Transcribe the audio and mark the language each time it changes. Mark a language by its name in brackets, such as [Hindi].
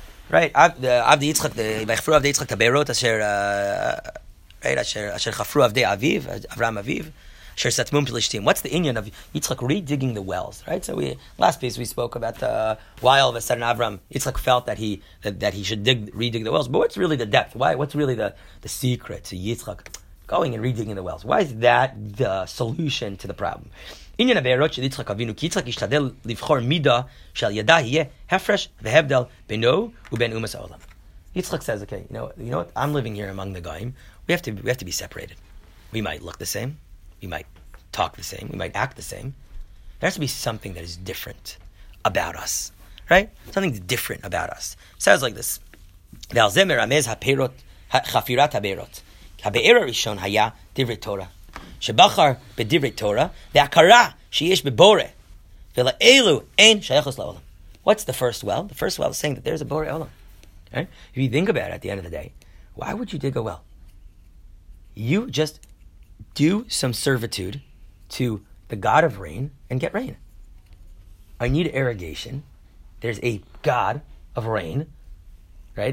[Hebrew] Right, עבדי יצחק, ויחפרו עבדי יצחק את הבארות אשר חפרו עבדי אביו, אברהם אביו, אשר סתמו פלישתים. [English] What's the union of יצחק re-digging the wells, right? So last piece we spoke about the while of a sudden Avram, יצחק felt that he should re-dig the wells. But what's really the depth? Why? What's really the secret to יצחק going and re-digging the wells? Why is that the solution to the problem? [Hebrew] עניין הבארות של יצחק אבינו, כי יצחק ישתדל לבחור מידה שעל ידה יהיה הפרש והבדל בינו ובין אומס העולם. [English] יצחק says, okay, you know what? I'm living here among the goyim. We have to be separated. We might look the same. We might talk the same. We might act the same. There has to be something that is different about us, right? Something different about us. It says like this. [Hebrew] ועל זה מרמז הפירות, חפירת הבארות. הבאר הראשון היה דברי תורה. שבחר בדברי תורה, והכרה שיש בבורא, ולאלו אין שייכוס לעולם. [English] What's the first well? The first well is saying that there's a bore olam. Right? If you think about it at the end of the day, why would you dig a well? You just do some servitude to the God of rain and get rain. I need irrigation. There's a God of rain, right?